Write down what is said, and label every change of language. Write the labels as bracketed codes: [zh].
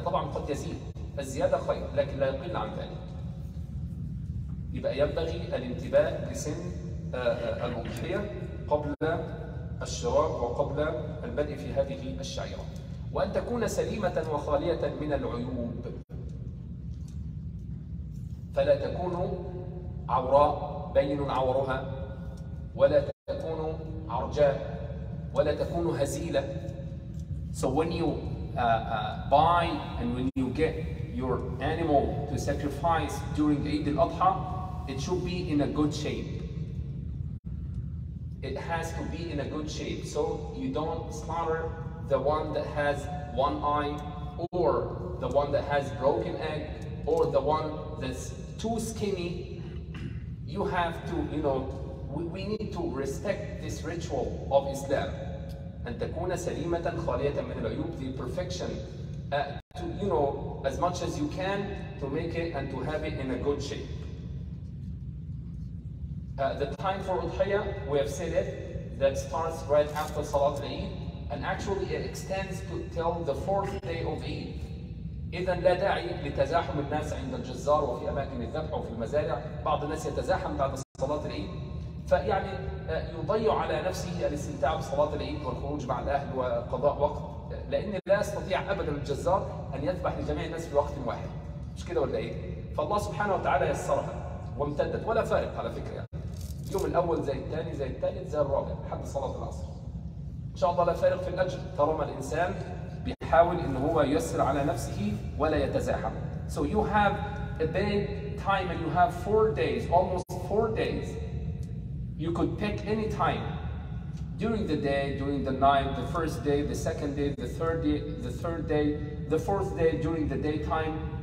[ar] طبعا قد يزيد, الزيادة خير لكن لا يقل عن ذلك. يبقى ينبغي الانتباه لسن الأضحية قبل الشراء وقبل البدء في هذه الشعيرة, وأن تكون سليمة وخالية من العيوب, فلا تكون عوراء بين عورها, ولا تكون عرجاء, ولا تكون هزيلة. [en] So when you buy and when you get your animal to sacrifice during Eid al-Adha, it should be in a good shape. It has to be in a good shape, so you don't slaughter the one that has one eye, or the one that has broken egg, or the one that's too skinny. You have to, you know, we need to respect this ritual of Islam. [ar] أن تكون سليمة خالية من العيوب, [en] the perfection, to, you know, as much as you can to make it and to have it in a good shape. The time for أضحية, we have said it, that starts right after [ar] صلاة العيد, [en] and actually it extends to till the fourth day of Eid. [ar] إذا لا داعي لتزاحم الناس عند الجزار وفي أماكن الذبح وفي المزارع. بعض الناس يتزاحم بعد صلاة العيد, فيعني يضيع على نفسه الاستمتاع بصلاة العيد والخروج مع الأهل وقضاء وقت, لأن لا يستطيع أبدا الجزار أن يذبح لجميع الناس في وقت واحد, مش كده ولا إيه؟ فالله سبحانه وتعالى يسرها وامتدت, ولا فارق على فكرة, يعني يوم الأول زي الثاني زي الثالث زي الرابع حتى صلاة العصر, إن شاء الله لا فارق في الأجر طالما الإنسان بيحاول إن هو ييسر على نفسه ولا يتزاحم. [en] So you have a big time and you have 4 days, almost 4 days. You could pick any time during the day, during the night, the first day, the second day, the third day, the fourth day during the daytime.